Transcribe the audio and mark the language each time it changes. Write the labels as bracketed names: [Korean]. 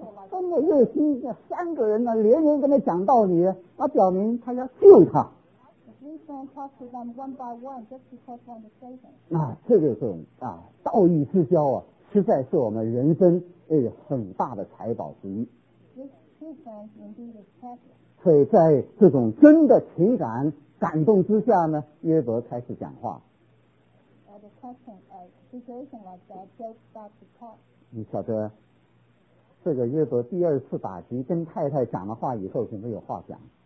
[Chinese] 真的热心，三个人呢，连连跟他讲道理，那表明他要救他。 [English] If this man talk to them one by one just because they want to say them. [Chinese] 那这就是啊，道义之交啊，实在是我们人生诶很大的财宝之一。 [English] This true friend indeed is precious. [Chinese] 所以在这种真的情感感动之下呢，约伯开始讲话。 [English] The question, situation like that, Job starts to talk. [Chinese] 你晓得。这个约伯第二次打击跟太太讲了话以后就没有话讲。